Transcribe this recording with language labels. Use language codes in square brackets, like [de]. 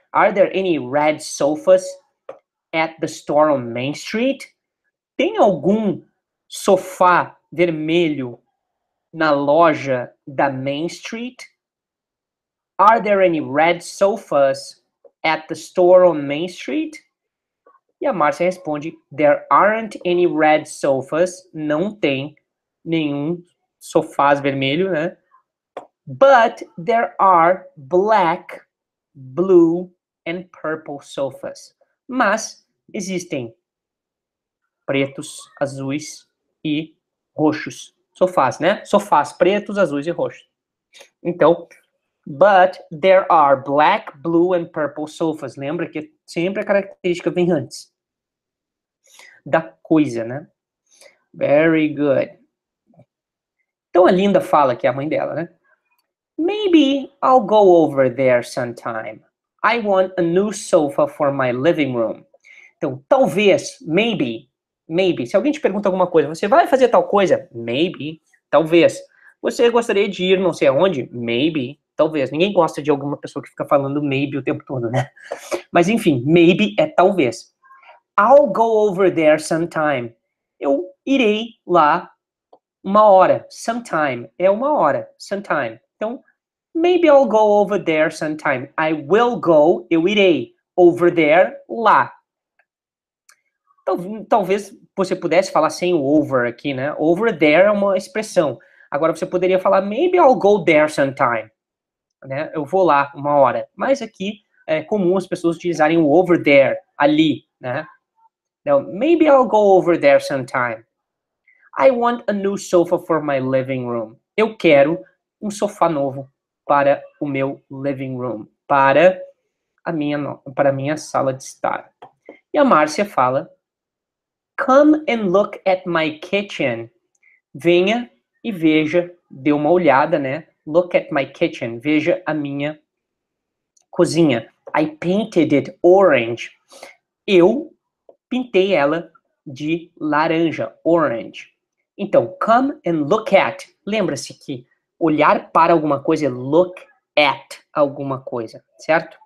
[en] Are there any red sofas at the store on Main Street? [pt] Tem algum sofá vermelho na loja da Main Street? [en] Are there any red sofas at the store on Main Street? [pt] E a Márcia responde, [en] there aren't any red sofas, [pt] não tem nenhum sofás vermelho, né? [en] But there are black, blue and purple sofas. [pt] Mas existem pretos, azuis e roxos sofás, né? Sofás pretos, azuis e roxos. Então, [en] but there are black, blue and purple sofas. [pt] Lembra que sempre a característica vem antes da coisa, né? [en] Very good. [pt] Então a Linda fala, que é a mãe dela, né? [en] Maybe I'll go over there sometime. I want a new sofa for my living room. [pt] Então, talvez, maybe, maybe. Se alguém te pergunta alguma coisa, você vai fazer tal coisa? Maybe, talvez. Você gostaria de ir não sei aonde? Maybe, talvez. Ninguém gosta de alguma pessoa que fica falando maybe o tempo todo, né? Mas enfim, maybe é talvez. [en] I'll go over there sometime. [pt] Eu irei lá uma hora. Sometime. É uma hora. Sometime. [en] Então, maybe I'll go over there sometime. I will go. [pt] Eu irei. [en] Over there. Lá. [pt] Talvez você pudesse falar sem o over aqui, né? Over there é uma expressão. Agora você poderia falar, [en] maybe I'll go there sometime. [pt] Né? Eu vou lá uma hora. Mas aqui é comum as pessoas utilizarem o over there. Ali, né? [en] Now, maybe I'll go over there sometime. I want a new sofa for my living room. [pt] Eu quero um sofá novo para o meu living room. Para a minha sala de estar. E a Márcia fala, [en] come and look at my kitchen. [pt] Venha e veja, dê uma olhada, né? [en] Look at my kitchen. [pt] Veja a minha cozinha. [en] I painted it orange. [pt] Eu pintei ela de laranja, orange. Então, come and look at. Lembra-se que olhar para alguma coisa é look at alguma coisa, certo?